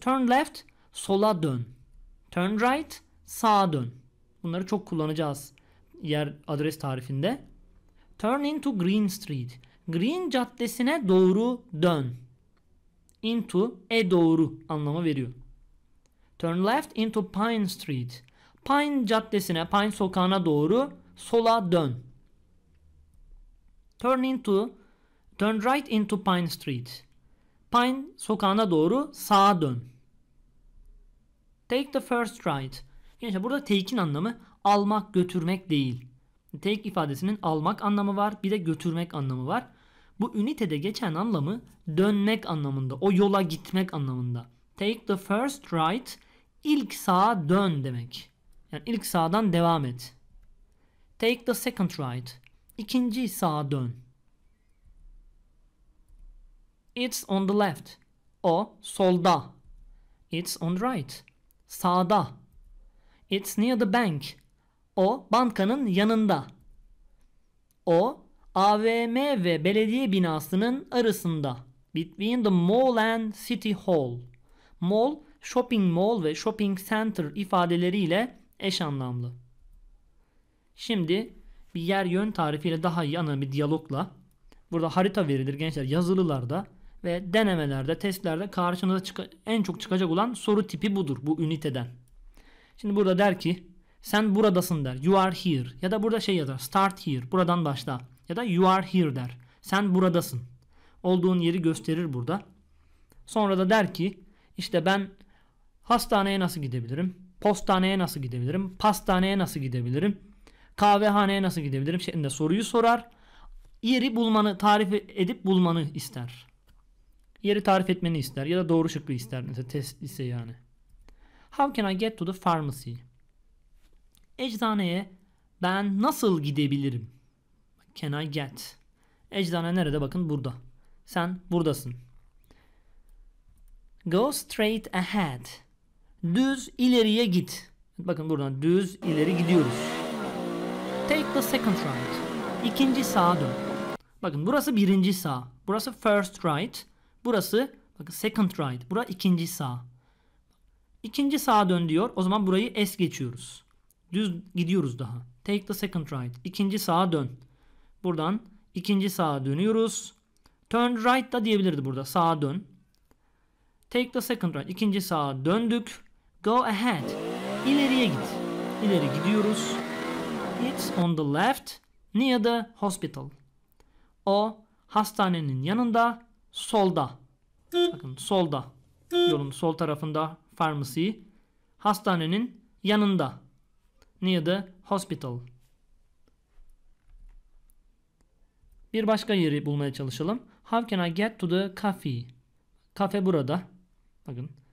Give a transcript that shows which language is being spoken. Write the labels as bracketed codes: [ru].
[en] Turn left, [tr] sola dön. [en] Turn right, [tr] sağa dön. Bunları çok kullanacağız yer adres tarifinde. [en] Turn into Green Street. [tr] Green caddesine doğru dön. Into, e doğru anlamı veriyor. [en] Turn left into Pine Street. [tr] Pine caddesine, Pine sokağına doğru sola dön. [en] Turn right into Pine Street. [tr] Pine sokağına doğru sağa dön. [en] Take the first right. [tr] Gençler, burada take'in anlamı almak, götürmek değil. Take ifadesinin almak anlamı var, bir de götürmek anlamı var. Bu ünitede geçen anlamı dönmek anlamında, o yola gitmek anlamında. [en] Take the first right, [tr] ilk sağa dön demek. Yani ilk sağdan devam et. [en] Take the second right, [tr] ikinci sağa dön. [en] It's on the left, [tr] o solda. [en] It's on the right, [tr] sağda. [en] It's near the bank, [tr] o bankanın yanında. O AVM ve belediye binasının arasında. [en] Between the mall and city hall. [tr] Mall, shopping mall ve shopping center ifadeleriyle eş anlamlı. Şimdi bir yer yön tarifiyle daha iyi anlamlı bir diyalogla. Burada harita verilir gençler, yazılılarda ve denemelerde, testlerde karşınıza en çok çıkacak olan soru tipi budur bu üniteden. Şimdi burada der ki sen buradasın der. [en] You are here. [tr] Ya da burada şey yazar. [en] Start here. [tr] Buradan başla. Ya da [en] you are here [tr] der. Sen buradasın. olduğun yeri gösterir burada. Sonra da der ki işte ben hastaneye nasıl gidebilirim? Postaneye nasıl gidebilirim? Pastaneye nasıl gidebilirim? Kahvehaneye nasıl gidebilirim? Şeklinde soruyu sorar. Yeri bulmanı, tarif edip bulmanı ister. Yeri tarif etmeni ister ya da doğru şıkkı ister. Mesela test ise yani. [en] How can I get to the pharmacy? [tr] Eczaneye ben nasıl gidebilirim? [en] Can I get? [tr] Eczane nerede? Bakın burada. Sen buradasın. [en] Go straight ahead. [tr] Düz ileriye git. Bakın buradan düz ileri gidiyoruz. [en] Take the second right. [tr] İkinci sağa dön. Bakın burası birinci sağ. Burası [en] first right. [tr] Burası bakın [en] second right. [tr] Burası ikinci sağ. İkinci sağa dön diyor. O zaman burayı es geçiyoruz. Düz gidiyoruz daha. [en] Take the second right. [tr] İkinci sağa dön. Buradan ikinci sağa dönüyoruz. [en] Turn right [tr] da diyebilirdi burada. Sağa dön. [en] Take the second right. [tr] İkinci sağa döndük. [en] Go ahead. [tr] İleriye git. İleri gidiyoruz. [en] It's on the left near the hospital. [tr] O hastanenin yanında solda. Bakın solda. Yolun sol tarafında pharmacy. Hastanenin yanında. [en] Near the hospital. [tr] Bir başka yeri bulmaya çalışalım. [en] How can I get to the cafe? [tr] Kafe burada. Bakın.